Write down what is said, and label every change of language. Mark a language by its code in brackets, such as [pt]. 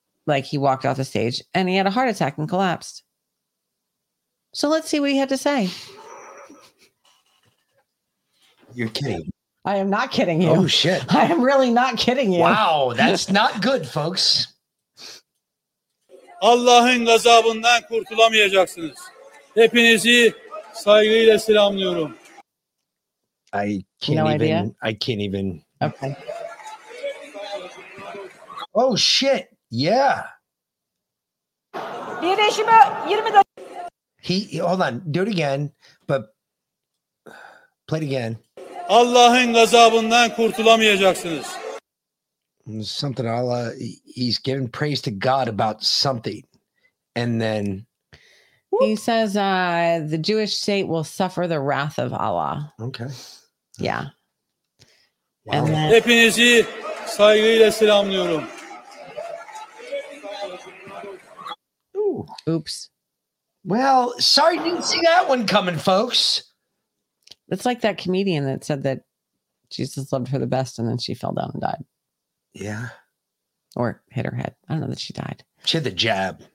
[en] like he walked off the stage and he had a heart attack and collapsed. So let's see what he had to say. You're kidding. I am not kidding you. Oh, shit. I am really not kidding you. Wow, that's not good, folks. [tr] Allah'ın gazabından kurtulamayacaksınız. Hepinizi saygıyla selamlıyorum. [en] I can't no even. Idea? I can't even. Okay. Oh shit! Yeah. He hold on. Do it again. But play it again. [tr] Allah'ın gazabından kurtulamayacaksınız. [en] Something Allah. He's giving praise to God about something. And then he says, the Jewish state will suffer the wrath of Allah. Okay. Yeah. Wow. And then, [tr] hepinizi saygıyla selamlıyorum. [en] Ooh. Oops. Well, sorry, didn't see that one coming, folks. It's like that comedian that said that Jesus loved her the best and then she fell down and died. Yeah. Or hit her head. I don't know that she died. She had the jab.